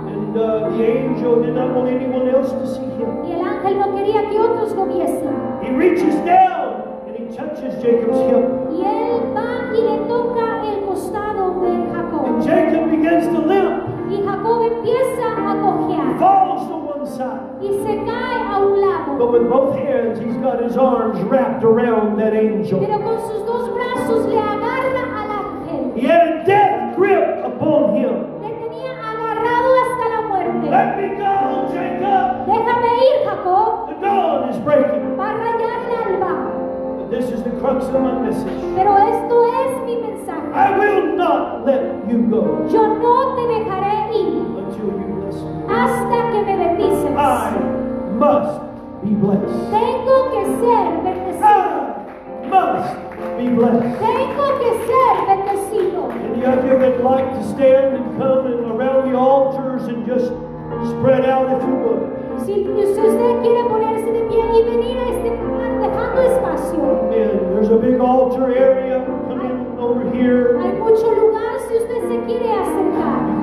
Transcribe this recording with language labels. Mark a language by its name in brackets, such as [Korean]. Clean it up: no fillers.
[English] And the angel did not want anyone else to see him. [Spanish] Y el ángel no quería que otros lo viesen. [English] He reaches down and he touches Jacob's hip. [Spanish] Y él va y le toca el costado de Jacob. [English] And Jacob begins to limp. [Spanish] Y Jacob empieza a cojear. [English] He falls to one side. [Spanish] Y se cae a un lado. [English] But with both hands, he's got his arms wrapped around that angel. [Spanish] Pero con sus dos brazos le agarra al ángel. [English] He had a death grip upon him. [Spanish] Le tenía agarrado hasta la muerte. [English] Let me go, Jacob. [Spanish] Déjame ir, Jacob. [English] The dawn is breaking. [Spanish] Va a rayar el alba. [English] But this is the crux of my message. [Spanish] Pero esto es mi mensaje. [English] I will not let you go. [Spanish] Yo no te dejaré ir. Hasta que me bendices. [English] I must be blessed. [Spanish] Tengo que ser bendecido. [English] I must be blessed. [Spanish] Tengo que ser bendecido. [English] Any of you that like to stand and come and around the altars and just spread out if you would. [Spanish] Si usted quiere ponerse de pie y venir a este lugar dejando espacio. [English] Amen. There's a big altar area. Come in over here. [Spanish] Hay mucho lugar si usted se quiere acercar.